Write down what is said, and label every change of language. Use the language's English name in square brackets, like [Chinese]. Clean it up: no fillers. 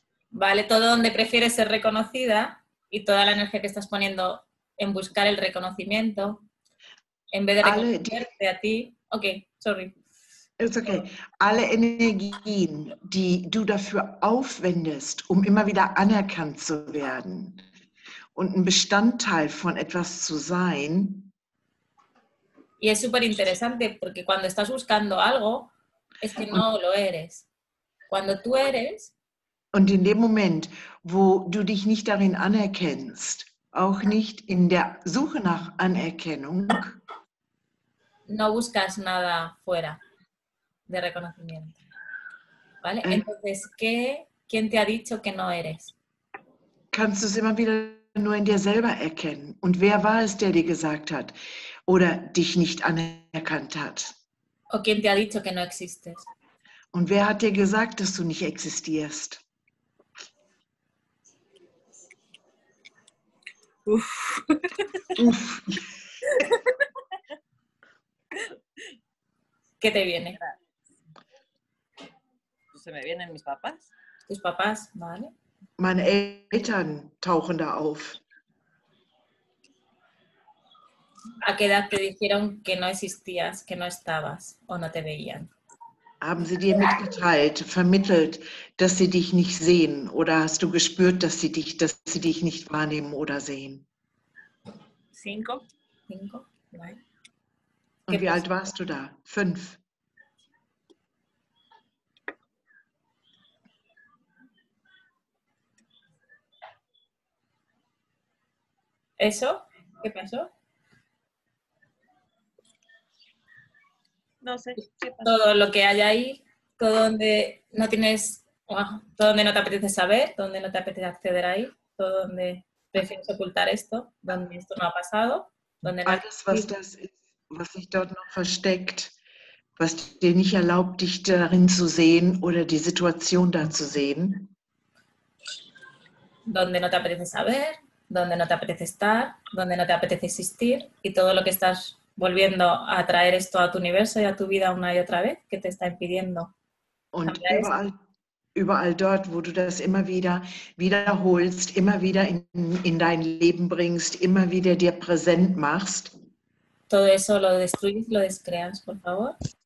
[Spanish] Vale, todo donde prefieres ser reconocida y toda la energía que estás poniendo en buscar el reconocimiento en vez de reconocerte a ti. [English] Ok, sorry. It's okay. [German] Alle Energien, die du dafür aufwendest, um immer wieder anerkannt zu werden und ein Bestandteil von etwas zu sein. [Spanish] Y es súper interesante porque cuando estás buscando algo, es que no lo eres. Cuando tú eres. [German] Und in dem Moment, wo du dich nicht darin anerkennst, auch nicht in der Suche nach Anerkennung, [Spanish] no buscas nada fuera de reconocimiento. ¿Vale? Entonces, ¿quién te ha dicho que no eres? [German] Kannst du es immer wieder nur in dir selber erkennen? Und wer war es, der dir gesagt hat oder dich nicht anerkannt hat? [Spanish] ¿O quién te ha dicho que no existes? [German] Und wer hat dir gesagt, dass du nicht existierst? Uf. [Spanish] ¿Qué te viene? Se me vienen mis papás. Tus papás, vale. [German] Meine Eltern tauchen da auf. [Spanish] ¿A qué edad te dijeron que no existías, que no estabas o no te veían? [German] Haben sie dir mitgeteilt, vermittelt, dass sie dich nicht sehen oder hast du gespürt, dass sie dich nicht wahrnehmen oder sehen? [Spanish] Cinco. [German] Und wie alt warst du da? Fünf. [Spanish] Eso? ¿Qué pasó? No sé. Todo lo que hay ahí, todo donde no tienes, todo donde no te apetece saber, donde no te apetece acceder ahí, todo donde prefieres ocultar esto, donde esto no ha pasado. [German] Alles, was das ist, was sich dort noch versteckt, was dir nicht erlaubt, dich darin zu sehen oder die Situation da zu sehen. [Spanish] Donde no te apetece saber, donde no te apetece estar, donde no te apetece existir y todo lo que estás volviendo a traer esto a tu universo y a tu vida una y otra vez, que te está impidiendo. [German] Und überall, überall dort, wo du das immer wieder wiederholst, immer wieder in dein Leben bringst, immer wieder dir präsent machst. [Spanish] Todo eso lo destruyes, lo descreas, por favor.